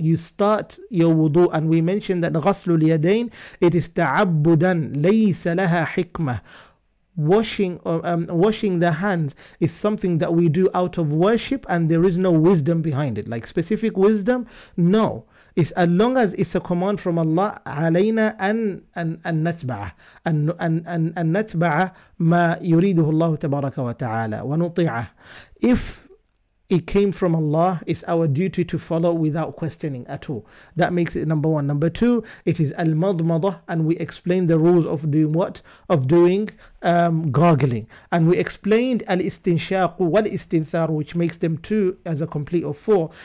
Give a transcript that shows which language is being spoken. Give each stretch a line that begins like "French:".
English: You start your wudu, and we mentioned that ghaslu liyadayn, it is ta'abbudan, laysa laha hikmah. Washing the hands is something that we do out of worship and there is no wisdom behind it. Like specific wisdom? No. It's as long as it's a command from Allah,
Arabic: علينا أن نتبع أن نتبع ما يريده الله تبارك وتعالى ونطيعه.
English: If it came from Allah, it's our duty to follow without questioning at all. That makes it number one. Number two, it is al-madmadah, and we explained the rules of doing what? Of doing gargling. And we explained al-istinshaq wal-istinthar, which makes them two as a complete of four.